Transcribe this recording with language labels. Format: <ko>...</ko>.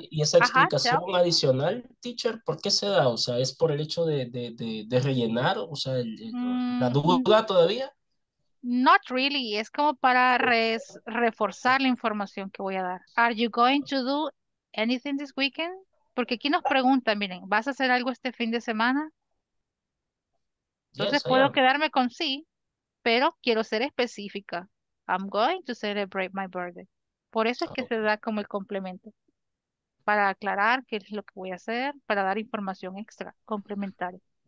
<es>Y esa explicación adicional, teacher, ¿por qué se da? O sea, ¿es por el hecho de rellenar? O sea, ¿la duda todavía?</es> <en>Not really.</en> <es>Es como para reforzar la información que voy a dar.</es> <en>Are you going to do anything this weekend?</en> <es>Porque aquí nos preguntan, miren, ¿vas a hacer algo este fin de semana? Entonces puedo quedarme con sí, pero quiero ser específica.</es> <en>I'm going to celebrate my birthday.</en> <es>Por eso es que se da como el complemento. Para aclarar qué es lo que voy a hacer, para dar información extra, complementaria.</es>